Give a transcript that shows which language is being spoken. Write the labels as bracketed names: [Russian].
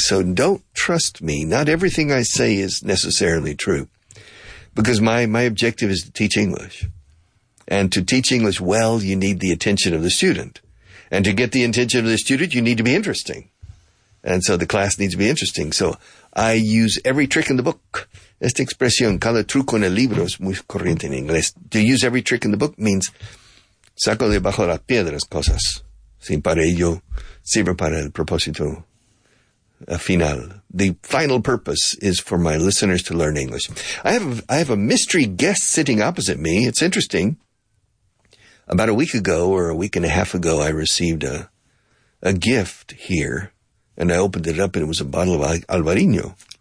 [English] So don't trust me. Not everything I say is necessarily true, because my objective is to teach English. And to teach English well, you need the attention of the student. And to get the attention of the student, you need to be interesting. And so the class needs to be interesting. So I use every trick in the book. [Spanish] Esta expresión, cada truco en el libro, es muy corriente en inglés. To use every trick in the book means saco debajo de las piedras cosas. Sin para ello, sirve para el propósito final. [English] The final purpose is for my listeners to learn English. I have a mystery guest sitting opposite me. It's interesting. About a week ago or a week and a half ago, I received a gift here. And I opened it up, and it was a bottle of Albariño.